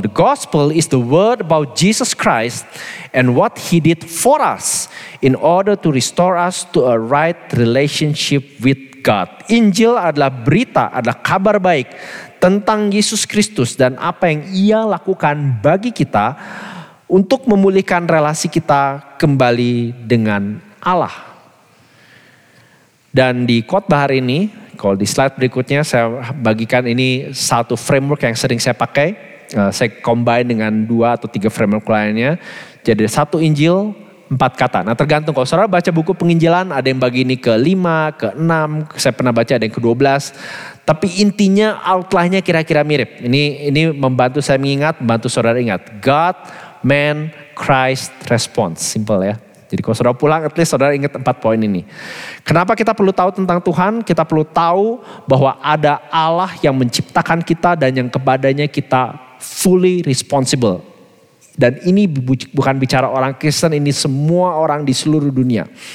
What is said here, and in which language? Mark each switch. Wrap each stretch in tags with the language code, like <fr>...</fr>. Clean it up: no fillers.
<en>The gospel is the word about Jesus Christ and what he did for us in order to restore us to a right relationship with God.</en> <id>Injil adalah berita, adalah kabar baik tentang Yesus Kristus dan apa yang ia lakukan bagi kita untuk memulihkan relasi kita kembali dengan Allah. Dan di khotbah hari ini, kalau di slide berikutnya saya bagikan ini satu framework yang sering saya pakai. Saya combine dengan 2 atau 3 framework lainnya. Jadi 1 Injil, 4 kata. Nah tergantung kalau saudara baca buku penginjilan, ada yang bagi ini ke 5, ke 6. Saya pernah baca ada yang ke 12. Tapi intinya outline-nya kira-kira mirip. Ini membantu saya mengingat, membantu saudara ingat.</id> <en>God, man, Christ, response.</en> <id>Simple ya. Jadi kalau saudara pulang,</id> <en>at least</en> <id>saudara ingat 4 poin ini. Kenapa kita perlu tahu tentang Tuhan? Kita perlu tahu bahwa ada Allah yang menciptakan kita dan yang kepadanya kita</id> <en>fully responsible.</en> <id>Dan ini bukan bicara orang Kristen, ini semua orang di seluruh dunia.</id>